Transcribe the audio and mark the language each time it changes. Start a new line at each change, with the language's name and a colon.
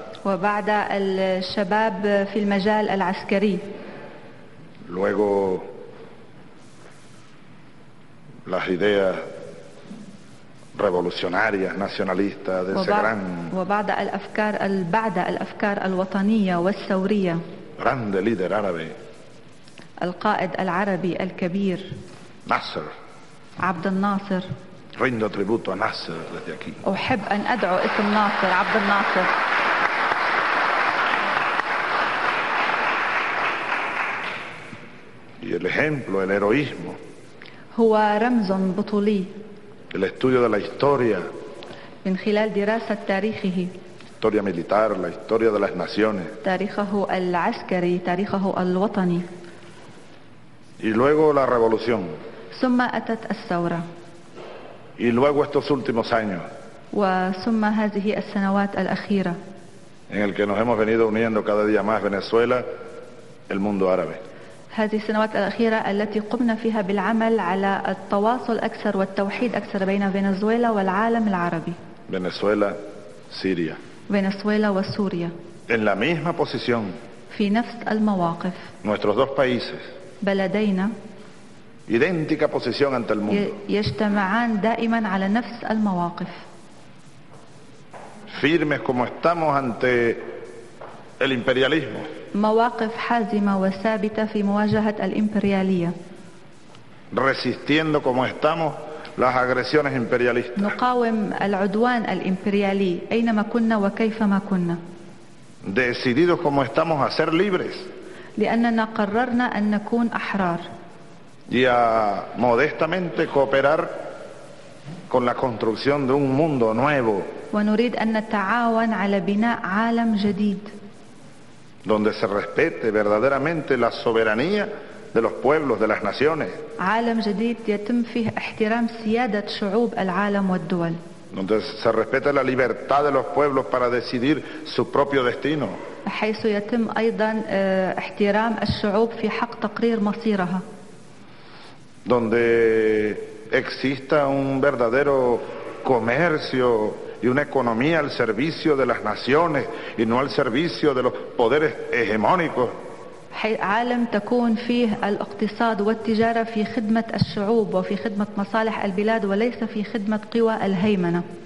Arabic: وبعد الشباب في المجال العسكري
Spanish: luego las ideas revolucionarias nacionalistas de ese gran
Arabic: وبعد الافكار بعد الافكار الوطنيه والثوريه
Spanish: grande líder árabe
Arabic: القائد العربي الكبير ناصر عبد الناصر
Spanish: Rindo tributo a Nasser desde aquí.
Arabic: أحب أن أدعو اسم ناصر عبد الناصر.
Spanish: Y el ejemplo, el heroísmo.
Arabic: هو رمز بطولي.
Spanish: El estudio de la historia.
Arabic: من خلال دراسة تاريخه.
Spanish: Historia militar, la historia de las naciones.
Arabic: تاريخه العسكري، تاريخه الوطني.
Spanish: Y luego la revolución.
Arabic: ثم أتت الثورة.
Spanish: Y luego estos últimos años.
Arabic: وثم هذه السنوات الأخيرة.
Spanish: En el que nos hemos venido uniendo cada día más Venezuela, el mundo árabe.
Arabic: هذه السنوات الأخيرة التي قمنا فيها بالعمل على التواصل أكثر والتوحيد أكثر بين فنزويلا والعالم العربي.
Spanish: Venezuela, Siria.
Arabic: Venezuela وسوريا.
Spanish: En la misma posición.
Arabic: في نفس المواقف.
Spanish: Nuestros dos países.
Arabic: بلدينا.
Spanish: Idéntica posición ante el mundo.
Arabic: يجتمعان دائما على نفس المواقف.
Spanish: Firmes como estamos ante el imperialismo.
Arabic: مواقف حازمة وثابتة في مواجهة الإمبريالية.
Spanish: Resistiendo como estamos las agresiones imperialistas.
Arabic: نقاوم العدوان الإمبريالي أينما كنا وكيفما كنا.
Spanish: Decididos como estamos a ser libres.
Arabic: لأننا قررنا أن نكون أحرار.
Spanish: Y a modestamente cooperar con la construcción de un mundo nuevo.
Arabic: ونريد أن نتعاون على بناء عالم جديد.
Spanish: Donde se respete verdaderamente la soberanía de los pueblos, de las naciones.
Arabic: عالم جديد يتم فيه احترام سيادة شعوب العالم والدول.
Spanish: Donde se respete la libertad de los pueblos para decidir su propio destino.
Arabic: حيث يتم أيضا احترام الشعوب في حق تقرير مصيرها.
Spanish: Donde exista un verdadero comercio y una economía al servicio de las naciones y no al servicio de los poderes hegemónicos.
Arabic: عالم تكون فيه الاقتصاد والتجارة في خدمة الشعوب وفي خدمة مصالح البلاد وليس في خدمة قوى الهيمنة.